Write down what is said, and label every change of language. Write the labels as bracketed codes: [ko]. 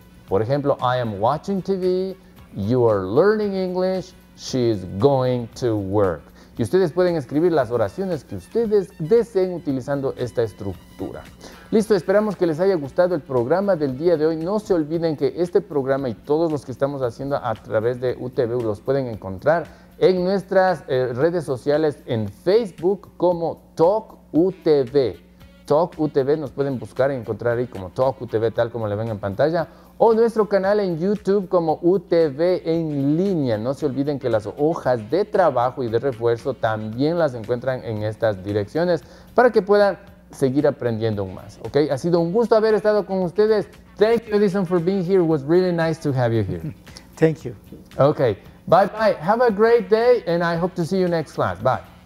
[es] Por ejemplo, [en] I am watching TV, you are learning English, she is going to work. [es] Y ustedes pueden escribir las oraciones que ustedes deseen utilizando esta estructura. Listo, esperamos que les haya gustado el programa del día de hoy. No se olviden que este programa y todos los que estamos haciendo a través de UTBU los pueden encontrar en nuestras redes sociales, en Facebook como TalkUTV. TalkUTV, nos pueden buscar y encontrar ahí como TalkUTV, tal como le ven en pantalla. O nuestro canal en YouTube como UTV en línea. No se olviden que las hojas de trabajo y de refuerzo también las encuentran en estas direcciones para que puedan seguir aprendiendo aún más. ¿Okay? Ha sido un gusto haber estado con ustedes. [en] Thank you, Edison, for being here. It was really nice to have you here. Thank you. Okay. Bye-bye. Have a great day, and I hope to see you next class. Bye.